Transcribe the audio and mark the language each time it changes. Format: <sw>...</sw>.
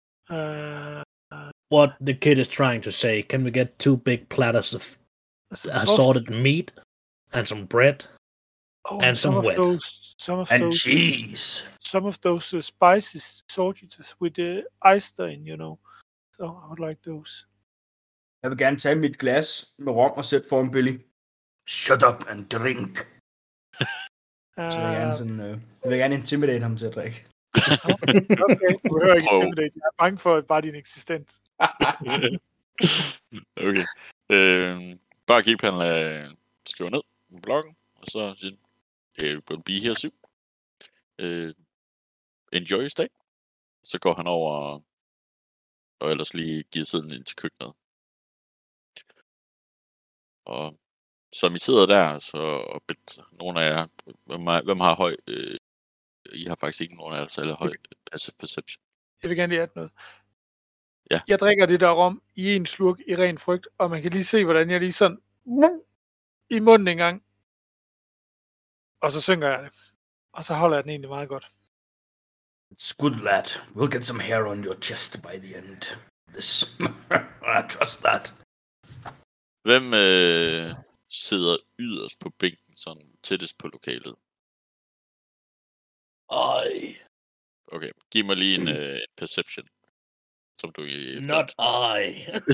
<en>What the kid is trying to say, can we get two big platters of assorted meat and some bread and some wet? Some of those cheese. Some of those spices, sausages with the oyster in, you know. So I would like those. I would like to take my glass with rum and set for him, Billy. Shut up and drink.</en> <da>Jeg vil gerne intimidate ham til at drikke. Okay, du hører ikke intimidate. Jeg er bange for bare din eksistens. Okay. Bare keep han at skrive ned på bloggen, og så siger han,</da> <en>we will be here soon. Enjoy your stay.</en> <da>Så går han over og ellers lige giver siden ind til køkkenet. Og som I sidder der, så nogle af jer, hvem har høj, I har faktisk ikke nogen af jer særlig høj passive perception. Jeg vil gerne lige have noget. Ja. Jeg drikker det der rum i en slurk i ren frygt, og man kan lige se, hvordan jeg lige sådan i munden en gang. Og så synker jeg det. Og så holder jeg den egentlig meget godt.</da> <en>It's good, lad. We'll get some hair on your chest by the end of this. I trust that.</en> <da>Hvem sidder yderst på bænken, sådan tættest på lokalet? Ej. Okay, giv mig lige en perception, som du...</da> <en>Not I.</en>